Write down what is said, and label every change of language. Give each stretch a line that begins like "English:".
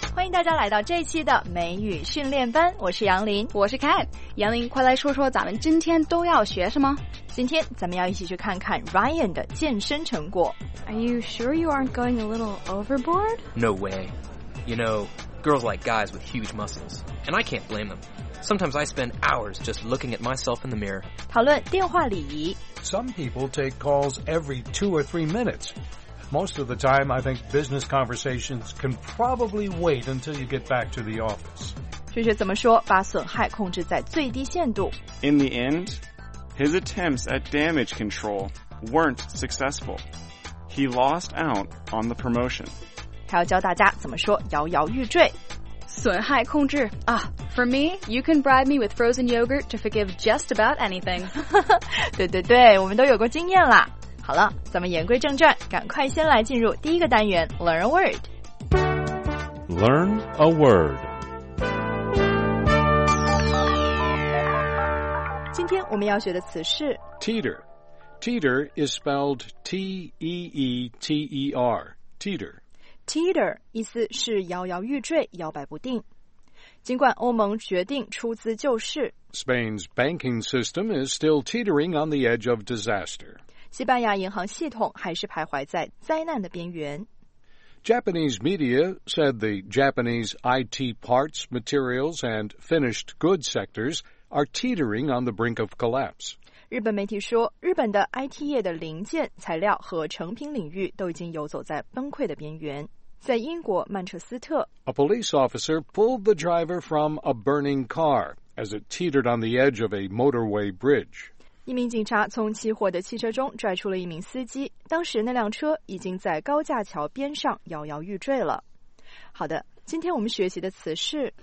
Chinese: 大家来到这期的美语训练班，我是杨林，我是 Cat。杨林，快来说说咱们今天都要学什么。今天咱们要一起去看看 Ryan 的健身成果。
English: Are you sure you aren't going a little overboard? No way. You know, girls like guys with huge muscles, and I can't blame them. Sometimes I spend hours just looking at myself in the mirror.
Chinese: 讨论电话礼仪。
English: Some people take calls every 2 or 3 minutes. Most of the time, I think business conversations can probably wait until you get back to the office.
Chinese: 学学怎么说，把损害控制在最低限度。
English: In the end, his attempts at damage control weren't successful. He lost out on the promotion.
Chinese: 还要教大家怎么说摇摇欲坠。损害控制啊。
English: For me, you can bribe me with frozen yogurt to forgive just about anything.
Chinese: 对对对，我们都有过经验啦。好了，咱们言归正传，赶快先来进入第一个单元 Learn a Word。 Learn a Word。今天我们要学的词是
English: Teeter。 Teeter is spelled T-E-E-T-E-R Teeter。
Chinese: Teeter 意思是摇摇欲坠，摇摆不定。尽管欧盟决定出资救市，
English: Spain's banking system is still teetering on the edge of disaster.
Chinese: 西班牙银行系统还是徘徊在灾难的边缘。
English: Japanese media said the Japanese IT parts, materials, and finished goods sectors are teetering on the brink of collapse.
Chinese: 日本媒体说，日本的 IT 业的零件、材料和成品领域都已经游走在崩溃的边缘。在英国曼彻斯特，
English: A police officer pulled the driver from a burning car as it teetered on the edge of a motorway bridge.
Chinese: 一名警察从起火的汽车中拽出了一名司机，当时那辆车已经在高架桥边上摇摇欲坠了。好的，今天我们学习的词是